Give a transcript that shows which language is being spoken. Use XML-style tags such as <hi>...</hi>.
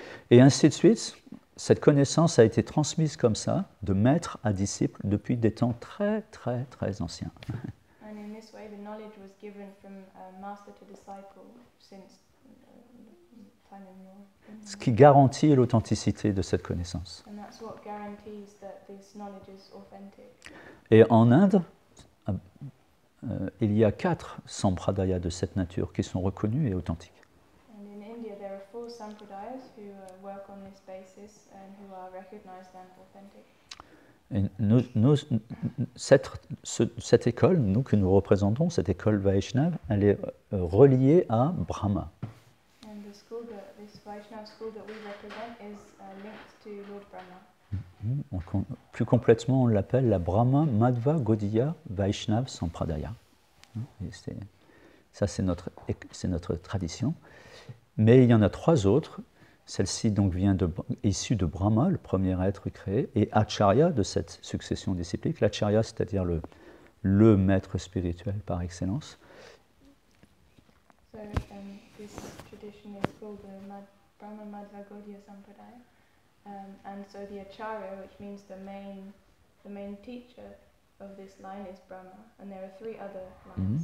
<fr>Et ainsi de suite, cette connaissance a été transmise comme ça, de maître à disciple, depuis des temps très, très, très anciens.</fr> <en>And in this way, the knowledge was given from master to disciple since time immemorial.</en> <fr>Ce qui garantit l'authenticité de cette connaissance.</fr> <en>And that's what guarantees that this knowledge is authentic.</en> <fr>Et en Inde, il y a 4 sampradayas de cette nature qui sont reconnus et authentiques.</fr> <en>And in India, there are 4 sampradayas who work on this basis and who are recognized and authentic.</en> <fr>Et cette école, nous que nous représentons, cette école Vaishnava, elle est reliée à Brahma.</fr> <en>And the school that Vaishnava school that we represent is linked to Lord Brahma.</en> <fr>Plus complètement, on l'appelle la Brahma Madhva Gaudiya Vaishnav Sampradaya. C'est notre tradition. Mais il y en a trois autres. Celle-ci donc issue de Brahma, le premier être créé, et Acharya de cette succession disciplique. L'Acharya, c'est-à-dire le maître spirituel par excellence.</fr> <en>So, this tradition is called the Brahma Madhva Gaudiya Sampradaya. And so the acharya, which means the main teacher of this line, is Brahma, and there are three other lines.</en>